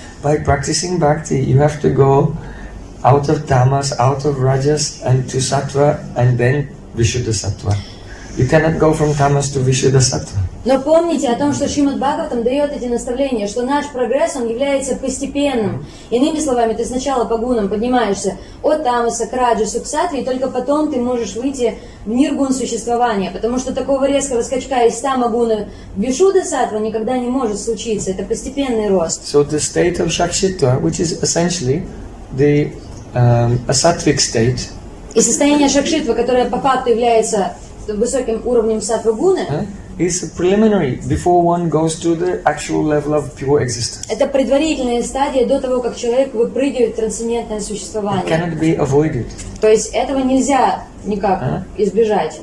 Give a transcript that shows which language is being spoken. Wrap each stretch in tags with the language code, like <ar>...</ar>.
<en>By practicing bhakti, you have to go out of tamas, out of rajas, and to sattva, and then vishuddha sattva. You cannot go from tamas to vishuddha sattva.</en> <ru>Но помните о том, что Шримад Бхагаватам дает эти наставления, что наш прогресс, он является постепенным. Иными словами, ты сначала по гунам поднимаешься от тамаса к раджасу, к сатве, и только потом ты можешь выйти в мир гун существования, потому что такого резкого скачка из тама гуны в вишуддха сатва никогда не может случиться. Это постепенный рост.</ru> <en>So the state of Shakshitva, which is essentially the asattvic state.</en> <ru>И состояние Шакшитва, которое по факту является высоким уровнем сатвы гуны.</ru> <en>is a preliminary before one goes to the actual level of pure existence.</en> <ru>Это предварительная стадия до того, как человек выпрыгивает в трансцендентное существование.</ru> <en>It cannot be avoided.</en> <ru>То есть этого нельзя никак избежать.</ru>